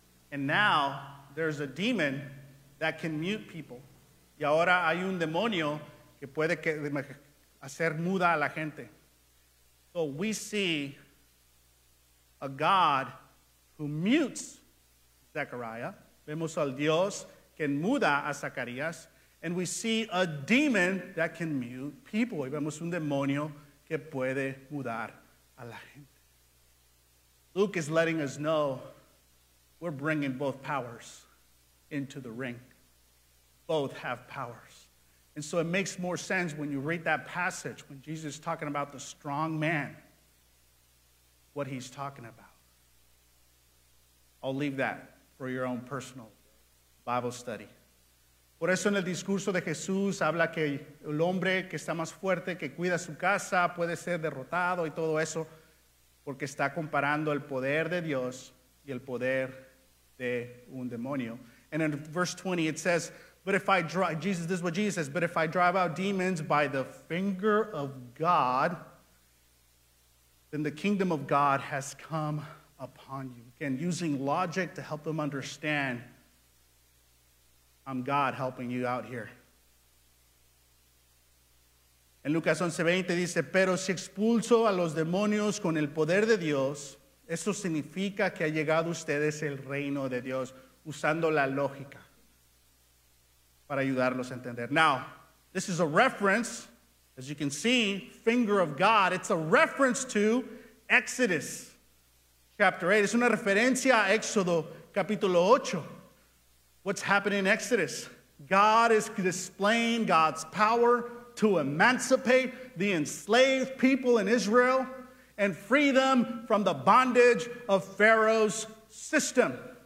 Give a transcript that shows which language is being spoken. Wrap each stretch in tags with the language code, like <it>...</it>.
<en>And now there's a demon that can mute people.</en> <es>Y ahora hay un demonio que puede hacer muda a la gente.</es> <en>So we see a God who mutes Zechariah.</en> <es>Vemos al Dios que muda a Zacarías.</es> <en>And we see a demon that can mute people.</en> <es>Y vemos un demonio que puede mudar a la gente.</es> <en>Luke is letting us know we're bringing both powers into the ring. Both have powers. And so it makes more sense when you read that passage, when Jesus is talking about the strong man, what he's talking about. I'll leave that for your own personal Bible study.</en> <es>Por eso en el discurso de Jesús habla que el hombre que está más fuerte, que cuida su casa, puede ser derrotado y todo eso, porque está comparando el poder de Dios y el poder de un demonio.</es> <en>And in verse 20 it says, but if I drive out demons by the finger of God, then the kingdom of God has come upon you. Again, using logic to help them understand, I'm God helping you out here.</en> <es>En Lucas 11:20 dice, pero si expulso a los demonios con el poder de Dios, eso significa que ha llegado a ustedes el reino de Dios, usando la lógica para ayudarlos a entender.</es> <en>Now, this is a reference, as you can see, finger of God. It's a reference to Exodus chapter 8.</en> <es>Es una referencia a Éxodo capítulo 8.</es> <en>What's happening in Exodus? God is displaying God's power to emancipate the enslaved people in Israel and free them from the bondage of Pharaoh's system.</en>